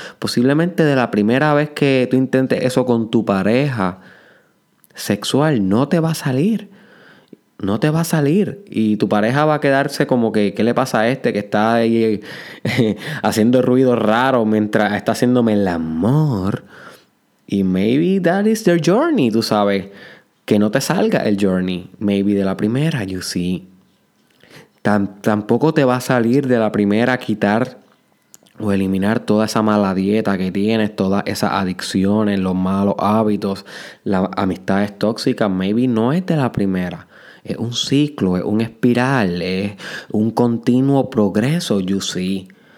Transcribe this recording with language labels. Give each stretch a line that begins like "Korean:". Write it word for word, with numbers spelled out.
Spanish: Posiblemente de la primera vez que tú intentes eso con tu pareja sexual, no te va a salir. No te va a salir. Y tu pareja va a quedarse como que, ¿qué le pasa a este que está ahí haciendo ruido raro mientras está haciéndome el amor?
English: Y maybe that is their journey,
Spanish: tú sabes. Que no te salga el journey. Maybe de la primera,
English: you see.
Spanish: Tampoco te va a salir de la primera quitar o eliminar toda esa mala dieta que tienes, todas esas adicciones, los malos hábitos, las amistades tóxicas. Maybe no es de la primera. Es un ciclo, es un espiral, es un continuo progreso,
English: you see.